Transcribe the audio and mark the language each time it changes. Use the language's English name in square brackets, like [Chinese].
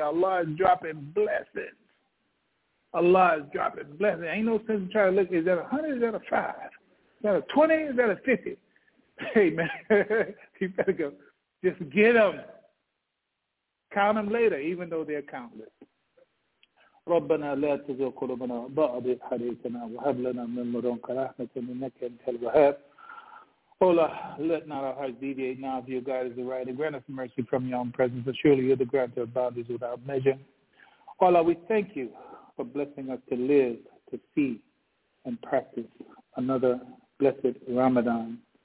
[English] Allah is dropping blessings. Allah is dropping blessings. Ain't no sense in trying to look. Is that 100? Is that a 5? Is that a 20? Is that a 50? Hey, man, you better go. Just get them. Count them later, even though they're countless. [Arabic] ربنا لا تزغ قلوبنا بعد إذ هديتنا وهب لنا من لدنك رحمة إنك أنت الوهاب. [English] Allah, let not our hearts deviate now if your guide is the right, and grant us mercy from your own presence, for surely you're the granter of bounties without measure. Allah, we thank you for blessing us to live, to see, and practice another blessed Ramadan.